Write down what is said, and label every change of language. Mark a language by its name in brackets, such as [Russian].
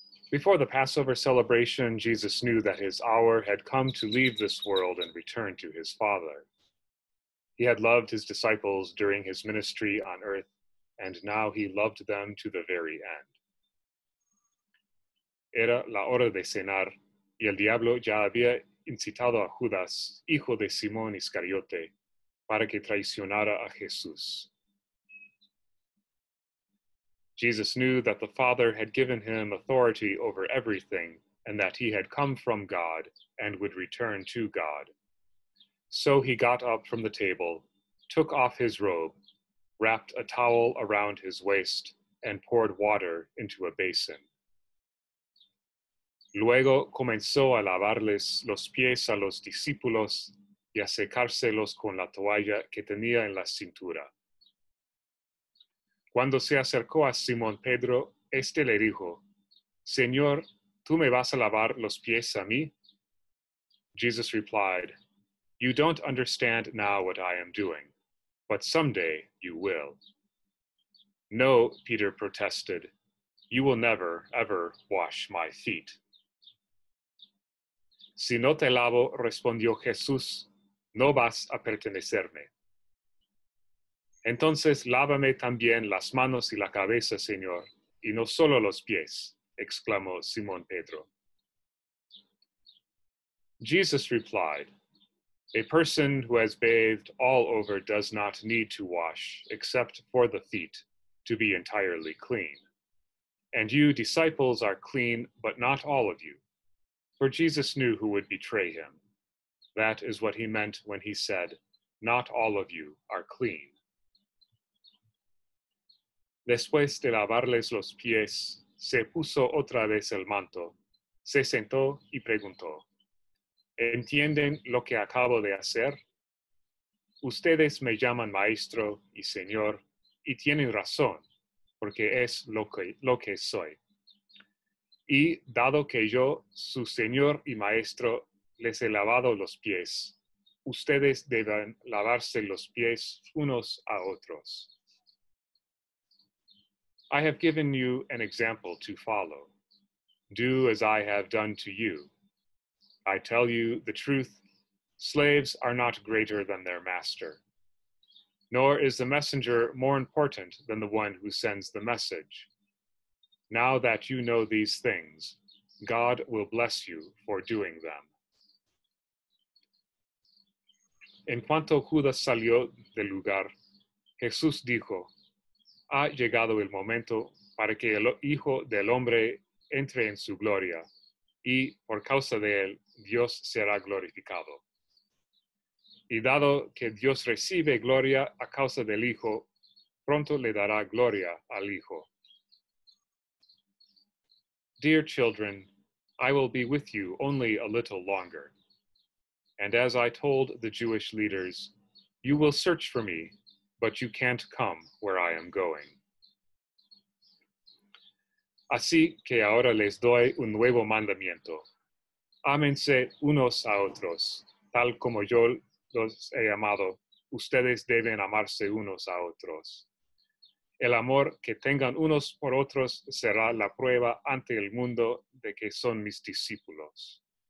[English] Before the Passover celebration, Jesus knew that his hour had come to leave this world and return to his Father. He had loved his disciples during his ministry on earth, and now he loved them to the very end. [Spanish] Era la hora de cenar, y el diablo ya había incitado a Judas, hijo de Simón Iscariote, para que traicionara a Jesús. [English] Jesus knew that the Father had given him authority over everything, and that he had come from God and would return to God. So he got up from the table, took off his robe, wrapped a towel around his waist, and poured water into a basin. [Spanish] Luego comenzó a lavarles los pies a los discípulos y a secárselos con la toalla que tenía en la cintura. Cuando se acercó a Simón Pedro, este le dijo, Señor, ¿tú me vas a lavar los pies a mí? [English] Jesus replied, You don't understand now what I am doing, but someday you will. No, Peter protested, you will never, ever wash my feet. [Spanish] Si no te lavo, respondió Jesús, no vas a pertenecerme. Entonces, lávame también las manos y la cabeza, Señor, y no solo los pies, exclamó Simón Pedro. [English] Jesus replied, A person who has bathed all over does not need to wash, except for the feet, to be entirely clean. And you, disciples, are clean, but not all of you. For Jesus knew who would betray him. That is what he meant when he said, Not all of you are clean. [Spanish] Después de lavarles los pies, se puso otra vez el manto, se sentó y preguntó, ¿Entienden lo que acabo de hacer? Ustedes me llaman maestro y señor, y tienen razón, porque es lo que soy. Y dado que yo, su señor y maestro, les he lavado los pies, ustedes deben lavarse los pies unos a otros. [English] I have given you an example to follow. Do as I have done to you. I tell you the truth, slaves are not greater than their master. Nor is the messenger more important than the one who sends the message. Now that you know these things, God will bless you for doing them. [Spanish] En cuanto Judas salió del lugar, Jesús dijo, Ha llegado el momento para que el Hijo del Hombre entre en su gloria, y por causa de él, Dios será glorificado. Y dado que Dios recibe gloria a causa del Hijo, pronto le dará gloria al Hijo. [English] Dear children, I will be with you only a little longer. And as I told the Jewish leaders, you will search for me, but you can't come where I am going. [Spanish] Así que ahora les doy un nuevo mandamiento. Ámense unos a otros, tal como yo los he amado. Ustedes deben amarse unos a otros. El amor que tengan unos por otros será la prueba ante el mundo de que son mis discípulos.